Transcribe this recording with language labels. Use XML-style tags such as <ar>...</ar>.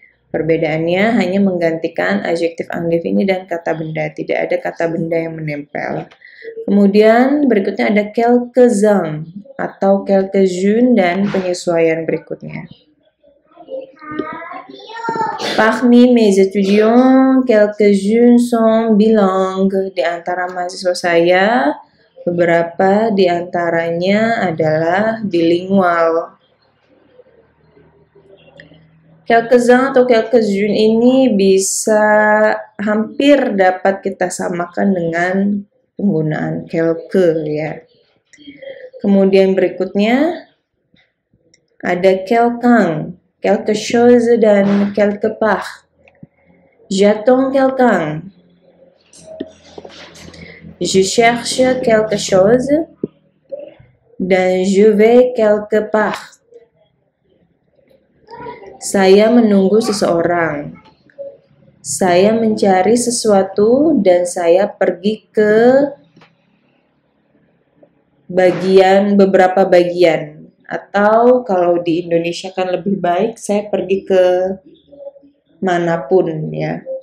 <id>Perbedaannya hanya menggantikan adjektif indéfini dan kata benda, tidak ada kata benda yang menempel. Kemudian berikutnya ada quelques-uns atau quelques-unes dan penyesuaian berikutnya.</id> <fr>Parmi mes étudiants, quelques-unes sont bilingues.</fr> <id>Di antara mahasiswa saya, beberapa di antaranya adalah bilingual. Quelques-uns atau quelques-unes ini bisa hampir dapat kita samakan dengan penggunaan quelque ya. Kemudian berikutnya ada quelqu'un, quelque chose dan quelque part.</id> <fr>J'attends quelqu'un. Je cherche quelque chose</fr> <id>dan</id> <fr>je vais quelque part.</fr> <id>Saya menunggu seseorang. Saya mencari sesuatu dan saya pergi ke bagian, beberapa bagian. Atau kalau di Indonesia kan lebih baik, saya pergi ke manapun ya.</id>